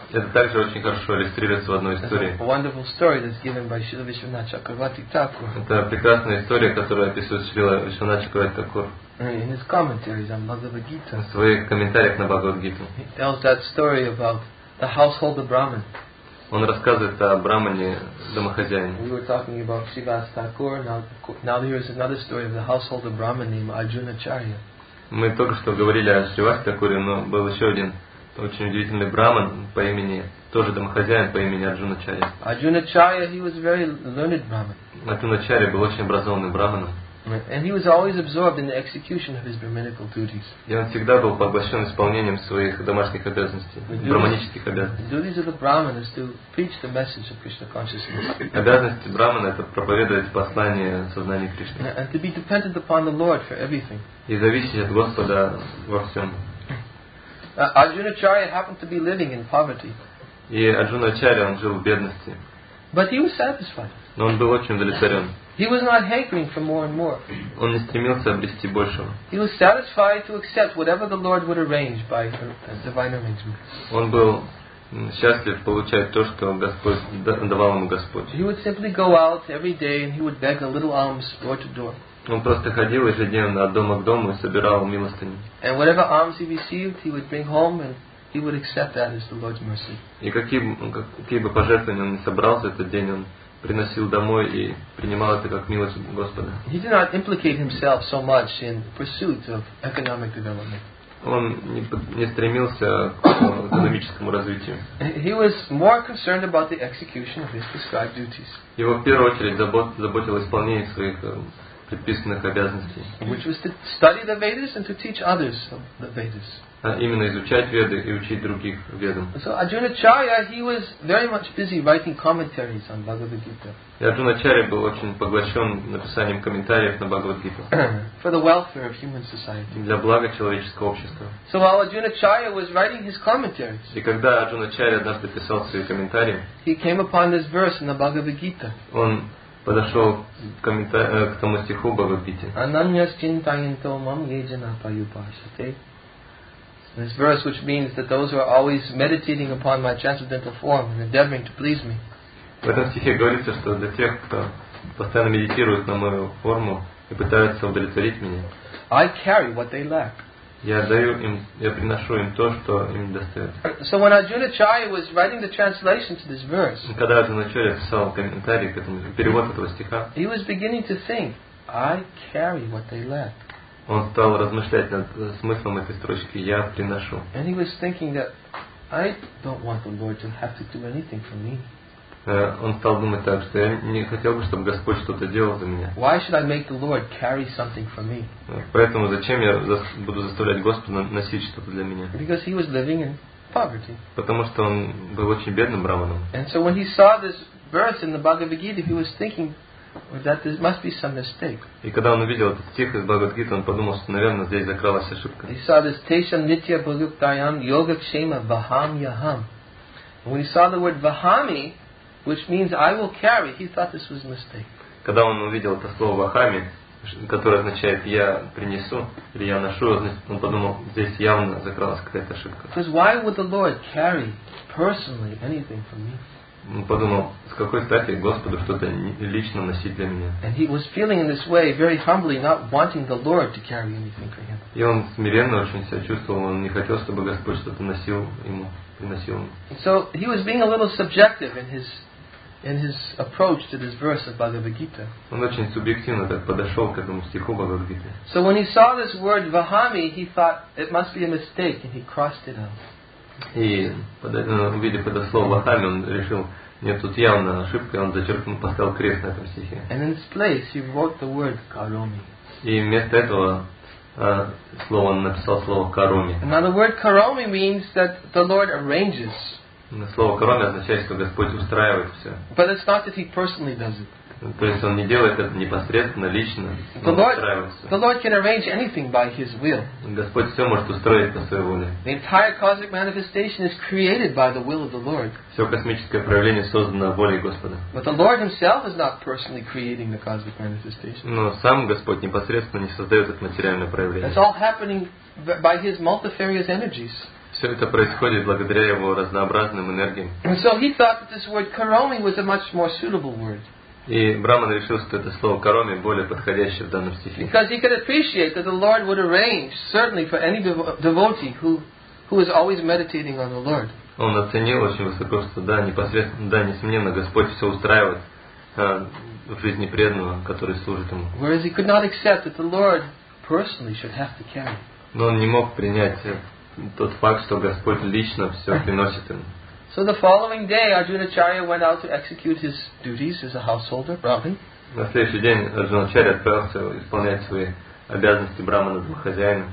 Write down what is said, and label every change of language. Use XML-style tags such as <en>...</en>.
<ru>Это также очень хорошо иллюстрируется в одной истории.</ru> <en>A wonderful story that's given by Śrīla Viśvanātha Chakravarti Thakur.</en> <ru>Это прекрасная история, которую описывает Śrīla Viśvanātha Chakravarti Thakur.</ru> <en>In his commentaries on Bhagavad Gita.</en> <ru>В своих комментариях на Бхагавад Гиту.</ru> <en>He tells that story about the household of Brahman.</en> <ru>Он рассказывает о брахмане домохозяине.</ru> <en>We were talking about Shrivas Thakur. Now here is another story of the household of Brahman named Arjunacharya.</en> <ru>Мы только что говорили о Шривас Такуре, но был еще один очень удивительный браман по имени, тоже домохозяин по имени Арджуначарья.</ru> <en>Арджуначарья, he was a very learned brahman.</en> <ru>Арджуначарья был очень образованным браманом.</ru> <en>And he was always absorbed in the execution of his brahminical duties.</en> <ru>И он всегда был поглощен исполнением своих домашних обязанностей, брахманических обязанностей.</ru> <en>Duties of the brahman is to preach the message of Krishna consciousness.</en> <ru>Обязанность брахмана это проповедовать послание сознания Кришны.</ru> <en>And to be dependent upon the Lord for everything.</en> <ru>И зависеть от Господа во всем.</ru> <en>Arjunacharya happened to be living in poverty.</en> <ru>И Арджуначарья он жил в бедности.</ru> <en>But he was satisfied.</en> <ru>Но он был очень удовлетворен.</ru> <en>He was not hankering for more and more.</en> <ru>Он не стремился обрести большего. He was satisfied to accept whatever the Lord would arrange by divine arrangement. Он был счастлив получать то, что Господь давал ему Господь.</ru> <en>He would simply go out every day and he would beg a little alms door to door.</en> <ru>Он просто ходил ежедневно от дома к дому и собирал милостыню.</ru> <en>And whatever alms he received, he would bring home and he would accept that as the Lord's mercy.</en> <ru>И какие бы пожертвования он ни собрал за этот день, он приносил домой и принимал это как милость Господа.</ru> <en>He did not implicate himself so much in pursuit of economic development.</en> <ru>Он не стремился к экономическому развитию.</ru> <en>He was more concerned about the execution of his prescribed duties.</en> <ru>Его в первую очередь заботило исполнение своих предписанных обязанностей.</ru> <en>Which was to study the Vedas and to teach others the Vedas.</en> <ru>Именно изучать Веды и учить других Ведам.</ru> <en>So Arjunacharya, he was very much busy writing commentaries on Bhagavad Gita.</en> <ru>И Арджуначарья был очень поглощен написанием комментариев на Бхагавад-гиту.</ru> <en>For the welfare of human society.</en> <ru>Для блага человеческого общества.</ru> <en>So while Arjunacharya was writing his commentaries.</en> <ru>И когда Арджуначарья однажды писал свои комментарии.</ru> <en>He came upon this verse in the Bhagavad Gita.</en> <ru>Он подошел к тому стиху Бхагавад-гите.</ru> <sa>Ананьяс чинтайанто мам еджана паюпашате.</sa> <en>This verse, which means that those who are always meditating upon my transcendental form and endeavoring to please me.</en> <ru>В этом стихе говорится, что для тех, кто постоянно медитирует на мою форму и пытается удовлетворить меня,</ru> <en>I carry what they lack.</en> <ru>Я даю им, я приношу им то, что им достает.</ru> <en>So when Arjunacharya was writing the translation to this verse,</en> <ru>когда Арджуначарья писал комментарий к этому, перевод этого стиха,</ru> <en>he was beginning to think, I carry what they lack.</en> <ru>Он стал размышлять над смыслом этой строчки «Я приношу».</ru> <en>And he was thinking that I don't want the Lord to have to do anything for me.</en> <ru>Он стал думать так, что я не хотел бы, чтобы Господь что-то делал за меня.</ru> <en>Why should I make the Lord carry something for me?</en> <ru>Поэтому зачем я буду заставлять Господа носить что-то для меня?</ru> <en>Because he was living in poverty.</en> <ru>Потому что он был очень бедным браманом.</ru> <en>And so when he saw this verse in the Bhagavad Gita, he was thinking that there must be some mistake.</en> <ru>И когда он увидел этот стих из Бхагавад-гиты, он подумал, что, наверное, здесь закралась ошибка.</ru> <en>He saw this</en> <sa>tesham nitya bhuktayam yoga kshema vaham yaham.</sa> <en>When he saw the word vahami, which means I will carry, he thought this was a mistake.</en> <ru>Когда он увидел это слово вахами, которое означает я принесу или я ношу, он подумал, здесь явно закралась какая-то ошибка.</ru> <en>Because why would the Lord carry personally anything for me?</en> <ru>Он подумал, с какой стати Господу что-то лично носить для меня.</ru> <en>And he was feeling in this way very humbly, not wanting the Lord to carry anything for him.</en> <ru>И он смиренно очень себя чувствовал, он не хотел, чтобы Господь что-то носил ему, приносил ему.</ru> <en>So he was being a little subjective in his approach to this verse of Bhagavad Gita.</en> <ru>Он очень субъективно так подошел к этому стиху Бхагавад Гиты.</ru> <en>So when he saw this word vahami, he thought it must be a mistake, and he crossed it out.</en> <ru>И увидев это слово «вахами», он решил, нет, тут явно ошибка, и он зачеркнул, поставил крест на этом стихе.</ru> <en>And in this place he wrote the word «кароми».</en> <ru>И вместо этого слова он написал слово «кароми».</ru> <en>Now the word «кароми» means that the Lord arranges.</en> <ru>Слово «кароми» означает, что Господь устраивает все.</ru> <en>But it's not that he personally does it.</en> <ru>То есть он не делает это непосредственно, лично, но устраивается.</ru> <en>The Lord can arrange anything by His will.</en> <ru>Господь все может устроить по своей воле.</ru> <en>The entire cosmic manifestation is created by the will of the Lord.</en> <ru>Все космическое проявление создано волей Господа.</ru> <en>But the Lord Himself is not personally creating the cosmic manifestation.</en> <ru>Но сам Господь непосредственно не создает это материальное проявление.</ru> <en>It's all happening by His multifarious energies.</en> <ru>Все это происходит благодаря Его разнообразным энергиям.</ru> <en>And so He thought that this word Karomi was a much more suitable word.</en> <ru>И Браман решил, что это слово «кароми» более подходящее в данном стихе.</ru> <en>Because he could appreciate that the Lord would arrange certainly for any devotee who is always meditating on the Lord.</en> <ru>Он оценил очень высоко, что да, непосредственно, да, несомненно, Господь все устраивает в жизни преданного, который служит ему.</ru> <en>Whereas he could not accept that the Lord personally should have to carry.</en> <ru>Но он не мог принять тот факт, что Господь лично все приносит ему.</ru> <en>So the following day, Arjunacharya went out to execute his duties as a householder, Brahmin.</en> <ru>На следующий день Арджуначарья отправился исполнять свои обязанности брахмана, домохозяина.</ru>